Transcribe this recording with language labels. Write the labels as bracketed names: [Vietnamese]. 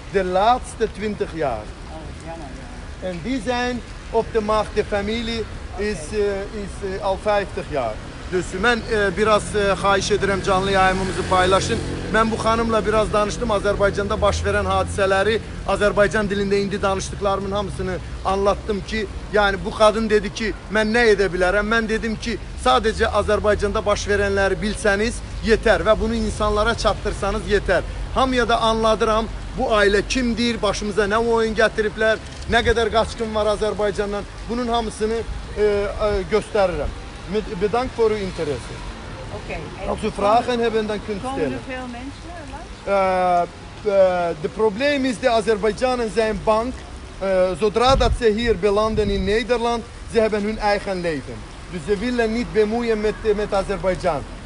[Dutch] De laatste 20 jaar. En die zijn op de macht, de familie. Is al 50 jaar. [Azerbaijani] Dus ben biraz xahiş edirəm canlı yayımımızı paylaşın. Mən bu xanımla biraz danışdım. Azərbaycanda baş verən hadisələri Azərbaycan dilində indi danışdıqlarımın hamısını anlattım ki, yəni bu qadın dedi ki, mən nə edə bilərəm? Mən dedim ki, sadəcə Azərbaycanda baş verənləri bilsəniz yetər və bunu insanlara çatdırsanız yetər. Hamıya da anladıram. Bu ailə kimdir? Başımıza nə oyun gətiriblər? Nə qədər qaçqın var Azərbaycandan? Bunun hamısını gösteririm. [Dutch] Bedankt voor uw interesse. Oké. Okay. Als u vragen hebben, dan kunt u stellen. Komen er veel mensen langs? De probleem is, de Azerbeidzjanen zijn bang. Zodra dat ze hier belanden in Nederland, ze hebben hun eigen leven. Dus ze willen niet bemoeien met Azerbeidzjan.